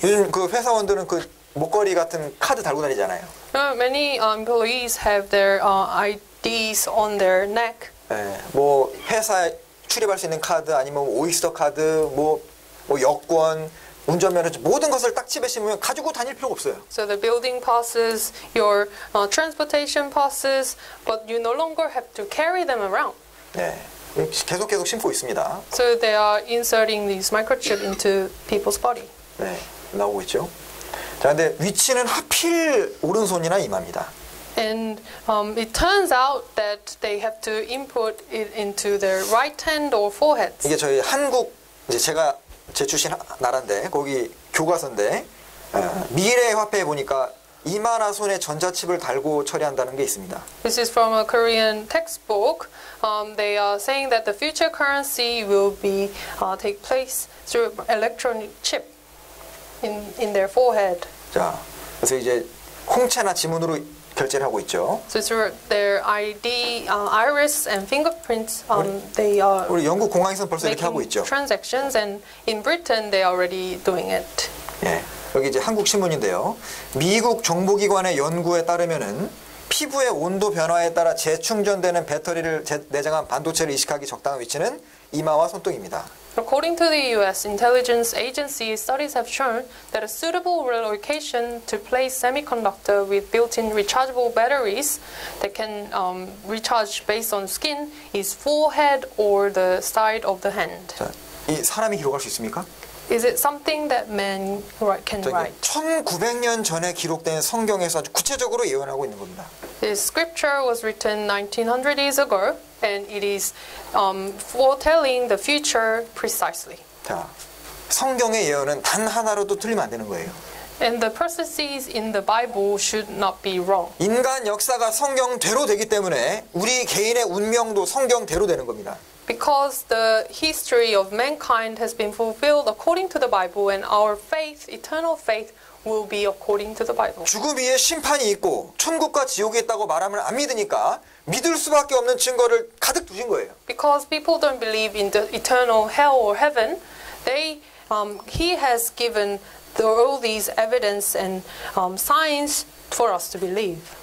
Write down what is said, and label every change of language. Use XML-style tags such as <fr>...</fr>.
<ko>요즘 그 회사원들은 그 목걸이 같은 카드 달고 다니잖아요.</ko> <en>Many employees have their IDs on their neck.</en> <ko>네, 뭐 회사 출입할 수 있는 카드 아니면 오이스터 카드 뭐 여권 운전면허증 모든 것을 딱 칩에 심으면 가지고 다닐 필요가 없어요.</ko> <en>So the building passes, your transportation passes, but you no longer have to carry them around.</en> <ko>네, 계속 심고 있습니다.</ko> <en>So they are inserting these microchip into people's body.</en> <ko>네, 나오고 있죠. 자, 근데 위치는 하필 오른손이나 이마입니다.</ko> <en>And it turns out that they have to input it into their right hand or forehead.</en> <ko>이게 저희 한국 이제 제가 제 출신 나라인데 거기 교과서인데 미래 화폐 보니까 이마나 손에 전자칩을 달고 처리한다는 게 있습니다.</ko> <en>This is from a Korean textbook. They are saying that the future currency will be take place through electronic chip. In their forehead.</en> <ko>자, 그래서 이제 홍채나 지문으로 결제를 하고 있죠.</ko> <en>So through their ID, iris and fingerprints, they are.</en> <ko>우리 영국 공항에서 벌써 이렇게 하고 있죠.</ko> <en>Transactions and in Britain they already doing it.</en> <ko>예, 여기 이제 한국 신문인데요. 미국 정보기관의 연구에 따르면은 피부의 온도 변화에 따라 재충전되는 배터리를 내장한 반도체를 이식하기 적당한 위치는 이마와 손등입니다.</ko> <en>According to the U.S. intelligence agency, studies have shown that a suitable relocation to place semiconductor with built-in rechargeable batteries that can recharge based on skin is forehead or the side of the hand.</en> <ko>자, 이 사람이 기록할 수 있습니까?</ko> <en>Is it something that man can write?</en> <ko>1900년 전에 기록된 성경에서 아주 구체적으로 예언하고 있는 겁니다.</ko> <en>This scripture was written 1900 years ago. And it is foretelling the future precisely.</en> <ko>자, 성경의 예언은 단 하나로도 틀리면 안 되는 거예요.</ko> <en>And the prophecies in the Bible should not be wrong.</en> <ko>인간 역사가 성경대로 되기 때문에 우리 개인의 운명도 성경대로 되는 겁니다.</ko> <en>Because the history of mankind has been fulfilled according to the Bible, and our faith, eternal faith, will be according to the Bible.</en> <ko>죽음 위에 심판이 있고 천국과 지옥이 있다고 말하면 안 믿으니까 믿을 수밖에 없는 증거를 가득 두신 거예요.</ko> <en>Because people don't believe in the eternal hell or heaven, they he has given the, all these evidence and signs for us to believe.</en>